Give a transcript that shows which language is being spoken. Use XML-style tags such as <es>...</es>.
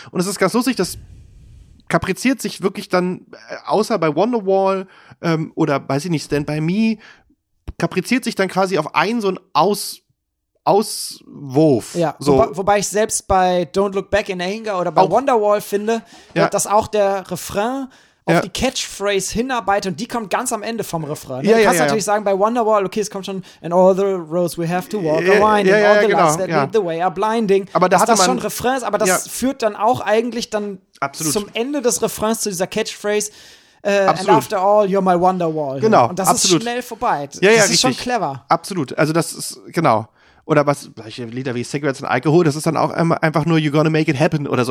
<de>Und es ist ganz lustig, das kapriziert sich wirklich dann, außer bei Wonderwall, oder weiß ich nicht, Stand By Me, kapriziert sich dann quasi auf einen so einen Auswurf. Ja, so. Wobei ich selbst bei Don't Look Back in Anger oder bei Wonderwall finde, dass auch der Refrain auf die Catchphrase hinarbeitet und die kommt ganz am Ende vom Refrain. Ne? Ja, du kannst natürlich sagen, bei Wonderwall, okay, es kommt schon,</de> <en>and all the roads we have to walk are winding, all the lights that lead the way are blinding.</en> <de>Aber das ist das schon Refrains, aber das führt dann auch eigentlich dann zum Ende des Refrains zu dieser Catchphrase,</de> <en>and after all, you're my Wonderwall.</en> <de>Genau, und das ist schnell vorbei. Ja, das ist schon clever. Absolut, also das ist, genau. Oder was, solche Lieder wie Cigarettes and Alcohol, das ist dann auch einfach nur You're Gonna Make It Happen oder so.</de>